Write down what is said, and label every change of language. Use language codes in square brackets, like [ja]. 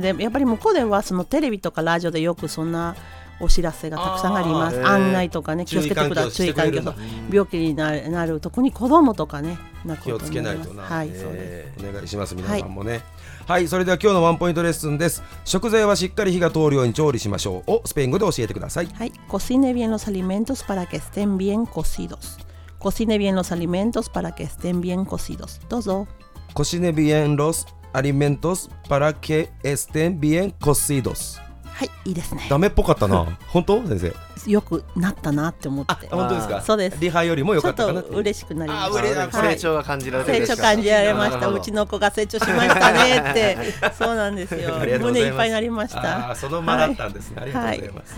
[ja] でやっぱり向こうではそのテレビとかラジオでよくそんなお知らせがたくさんあります。案内とかね、気をつけてください、注意喚起と、病気になる、特に子供とかね、なことに気をつけないとな、はい、そうです。お願いします、皆さんもね、はい、はい、それでは今日のワンポイントレッスンです。食材はしっかり火が通るように調理しましょうをスペイン語で教えてください。 [es] はい、cocine bien los alimentos para que estén bien cocidos. Cocine bien los alimentos para que estén bien cocidos. [ja] どうぞ。 [es] Cocine bien los alimentos para que estén bien cocidos。 [ja] はい、いいですね。ダメっぽかったな。本当先生、よくなったなって思って。あ、本当ですか？そうです、リハよりも良かったかな。ちょっと嬉しくなりました。 成長が感じられて、成長感じられました。うちの子が成長しましたねって。そうなんですよ。胸いっぱいになりました。あ、そのままだったんですね、はい、ありがとうございます、